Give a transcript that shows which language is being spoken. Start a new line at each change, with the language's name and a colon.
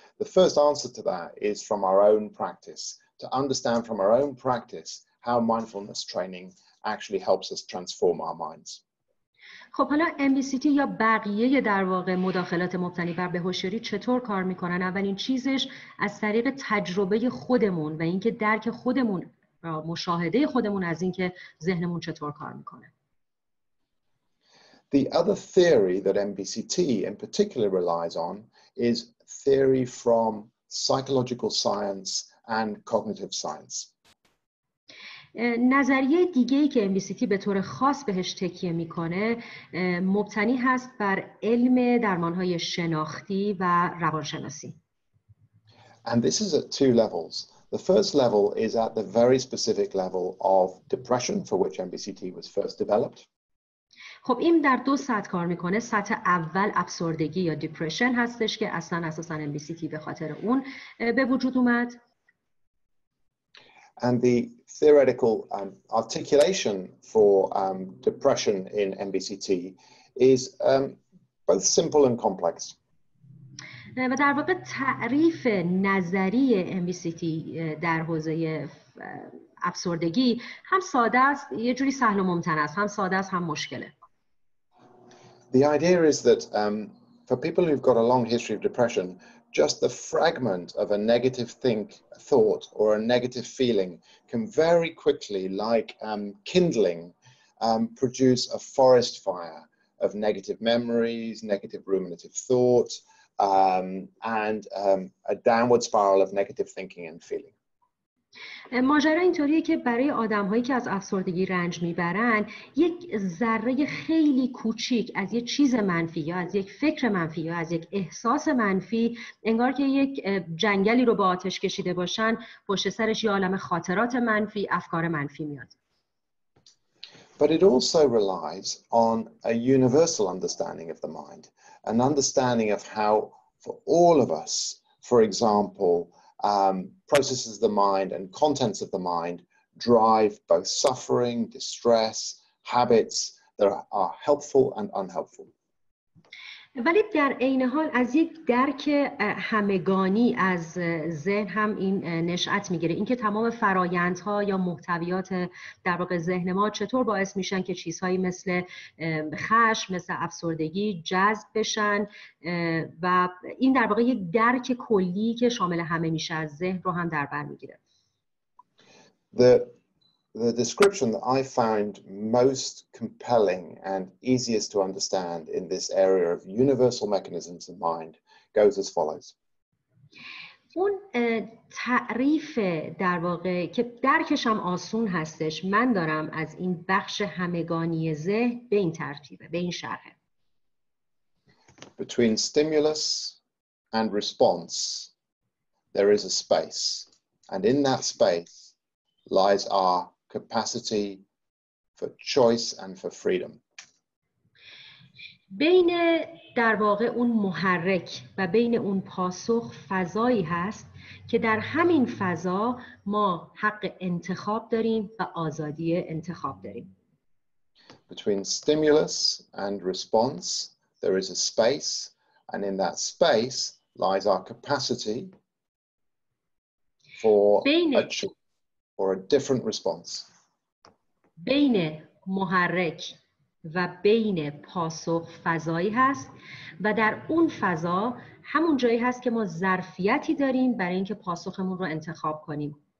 English: The first answer to that is from our own practice, to understand from our own practice how mindfulness training actually helps us transform our minds.
Persian: خب حالا MBCT یا بقیه در واقع مداخلات مبتنی بر بهوشیاری چطور کار میکنن؟ اولین چیزش از طریق تجربه خودمون و اینکه درک خودمون و مشاهده خودمون از اینکه ذهنمون چطور کار میکنه.
English: The other theory that MBCT in particular relies on is theory from psychological science and cognitive science.
Persian: نظریه دیگه‌ای که MBCT به طور خاص بهش تکیه می‌کنه مبتنی هست بر علم درمان‌های شناختی و روانشناسی.
English: And this is at two levels. The first level is at the very specific level of depression for which MBCT was first developed.
Persian: خب این در دو سطح کار میکنه. سطح اول افسردگی یا دیپریشن هستش که اساساً MBCT به خاطر اون به وجود اومد.
English: And the theoretical articulation for depression in MBCT is both simple and complex.
Persian: و در واقع تعریف نظری MBCT در حوزه افسردگی هم ساده است، یه جوری سهل و ممتنع است، هم ساده است هم مشکله.
English: The idea is that for people who've got a long history of depression, just the fragment of a negative thought or a negative feeling can very quickly, like kindling, produce a forest fire of negative memories, negative ruminative thought, and a downward spiral of negative thinking and feeling.
Persian: ماجرا اینطوریه که برای آدم‌هایی که از افسردگی رنج می‌برن، یک ذره خیلی کوچیک از یک چیز منفی یا از یک فکر منفی یا از یک احساس منفی، انگار که یک جنگلی رو با آتش کشیده باشن، پشت سرش یه عالم خاطرات منفی، افکار منفی میاد.
English: But it also relies on a universal understanding of the mind, an understanding of how for all of us, for example, processes of the mind and contents of the mind drive both suffering, distress, habits that are helpful and unhelpful.
Persian: ولی در عین حال از یک درک همگانی از ذهن هم این نشأت میگیره، اینکه تمام فرایندها یا محتویات در واقع ذهن ما چطور باعث میشن که چیزهایی مثل خشم، مثل افسردگی جذب بشن، و این در واقع یک درک کلی که شامل همه میشه از ذهن رو هم در بر میگیره.
English: The The description that I found most compelling and easiest to understand in this area of universal mechanisms of mind goes as follows.
Persian: اون تعریف در واقع که درکشم آسون هستش من دارم از این بخش همگانی ذهن به این ترتیبه به این شرحه.
English: Between stimulus and response there is a space and in that space lies our capacity for choice and for freedom.
Persian: بین در واقع اون محرک و بین اون پاسخ فضایی هست که در همین فضا ما حق انتخاب داریم و آزادی انتخاب داریم.
English: Between stimulus and response there is a space and in that space lies our capacity for a different response.
Persian: بین محرک و بین پاسخ فضایی هست و در اون فضا همون جایی هست که ما ظرفیتی داریم برای اینکه پاسخمون رو انتخاب کنیم.